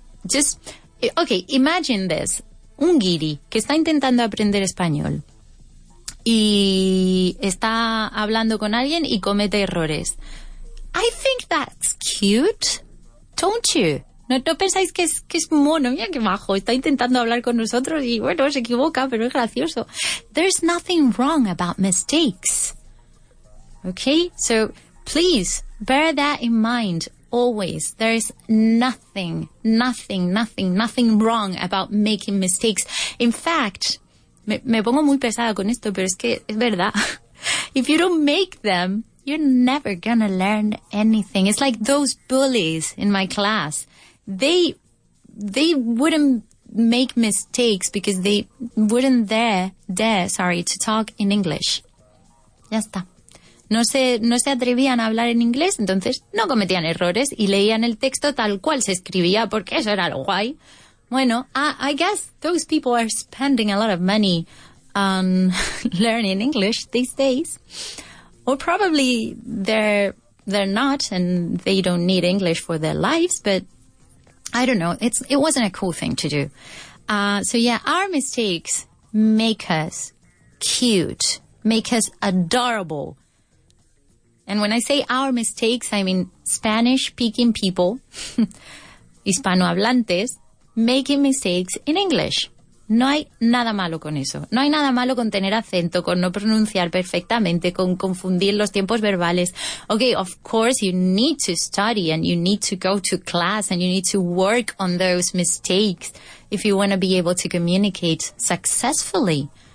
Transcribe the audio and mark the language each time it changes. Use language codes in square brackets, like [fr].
[en] Just, okay, imagine this. [es] Un guiri que está intentando aprender español y está hablando con alguien y comete errores. [en] I think that's cute, don't you? [es] ¿No pensáis que es mono? Mira qué majo, está intentando hablar con nosotros y bueno, se equivoca, pero es gracioso. [en] There's nothing wrong about mistakes. Okay, so please bear that in mind always. There is nothing wrong about making mistakes. In fact, [es] me pongo muy pesada con esto, pero es que es verdad. [en] If you don't make them, you're never gonna learn anything. It's like those bullies in my class. They wouldn't make mistakes because they wouldn't dare to talk in English. [es] Ya está. No se atrevían a hablar en inglés, entonces no cometían errores y leían el texto tal cual se escribía porque eso era lo guay. [en] Bueno, I guess those people are spending a lot of money on learning English these days. Or probably they're not and they don't need English for their lives, but I don't know. It wasn't a cool thing to do. So yeah, our mistakes make us cute, make us adorable. And when I say our mistakes, I mean Spanish-speaking people, hispanohablantes, making mistakes in English. [es] No hay nada malo con eso. No hay nada malo con tener acento, con no pronunciar perfectamente, con confundir los tiempos verbales. [en] Okay, of course you need to study and you need to go to class and you need to work on those mistakes if you want to be able to communicate successfully.